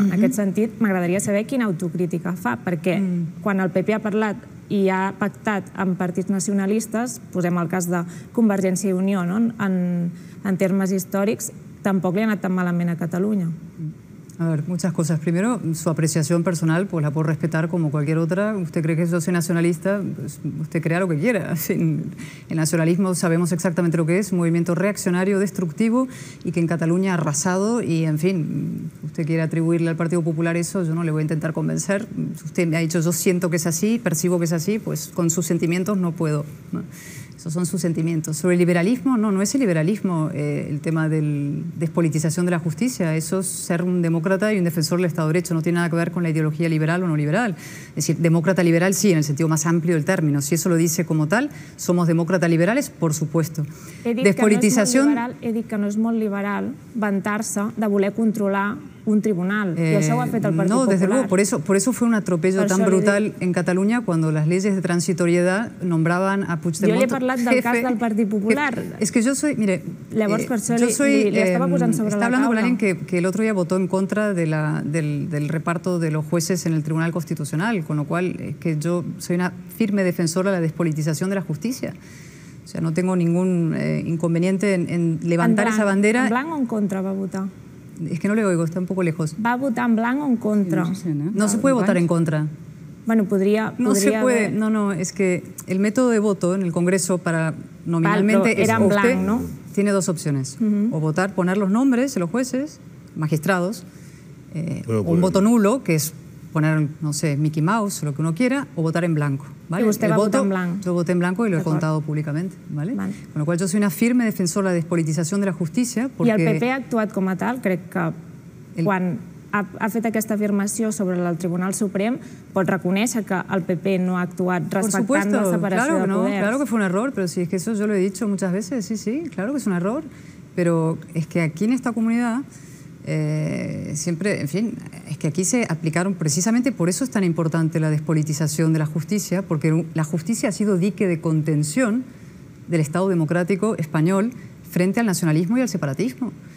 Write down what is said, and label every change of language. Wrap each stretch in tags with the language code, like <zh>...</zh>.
<ca>En aquest sentit, m'agradaria saber quina autocrítica fa, perquè quan el PP ha parlat i ha pactat amb partits nacionalistes, posem el cas de Convergència i Unió, no? en termes històrics, tampoc li ha anat tan malament a Catalunya.</ca> <es>A ver, muchas cosas. Primero, su apreciación personal, pues la puedo respetar como cualquier otra. Usted cree que yo soy nacionalista, pues usted crea lo que quiera. El nacionalismo sabemos exactamente lo que es, un movimiento reaccionario, destructivo, y que en Cataluña ha arrasado, y en fin, usted quiere atribuirle al Partido Popular eso, yo no le voy a intentar convencer. Usted me ha dicho, yo siento que es así, percibo que es así, pues con sus sentimientos no puedo, ¿no? Esos son sus sentimientos. Sobre el liberalismo, no es el liberalismo el tema de la despolitización de la justicia. Eso es ser un demócrata y un defensor del Estado de Derecho. No tiene nada que ver con la ideología liberal o no liberal. Es decir, demócrata liberal sí, en el sentido más amplio del término. Si eso lo dice como tal, somos demócratas liberales, por supuesto. Despolitización... He dicho que no es muy liberal vantarse de voler controlar un tribunal, y eso lo ha hecho el Partido Popular. No, desde luego, por eso fue un atropello tan brutal en Cataluña cuando las leyes de transitoriedad nombraban a Puigdemont. Yo le he hablado del caso del Partido Popular. Es que yo soy, mire,</es> <ca>llavors, per això, estaba</ca> <es>hablando con alguien que el otro día votó en contra del reparto de los jueces en el Tribunal Constitucional, con lo cual es que yo soy una firme defensora de la despolitización de la justicia. O sea, no tengo ningún inconveniente en levantar</es> <ca>en blanc,</ca> <es>esa bandera. ¿En blanco o en contra va a votar? Es que no le oigo, está un poco lejos. ¿Va a votar en blanco o en contra? No se puede votar en contra. Bueno, podría... No se puede, no, es que el método de voto en el Congreso para nominalmente... Era en blanco, ¿no? Tiene dos opciones, o votar, poner los nombres de los jueces, magistrados, o un voto nulo, que es poner, no sé, Mickey Mouse, lo que uno quiera, o votar en blanco. ¿Vale? ¿Y usted va a votar en blanco? Yo voté en blanco y lo he contado públicamente. ¿Vale? Con lo cual, yo soy una firme defensora de la despolitización de la justicia. Porque... ¿Y el PP ha actuado como tal? Creo que cuando</es> <ca>ha fet aquesta afirmació sobre el Tribunal Suprem, pot reconèixer que el PP no ha actuat respectant la separació de poders.</ca> <es>Claro que no, claro que fue un error, pero si es que eso yo lo he dicho muchas veces, sí, claro que es un error, pero es que aquí en esta comunidad... Siempre, en fin, es que aquí se aplicaron, precisamente por eso es tan importante la despolitización de la justicia, porque la justicia ha sido dique de contención del Estado democrático español frente al nacionalismo y al separatismo.</es>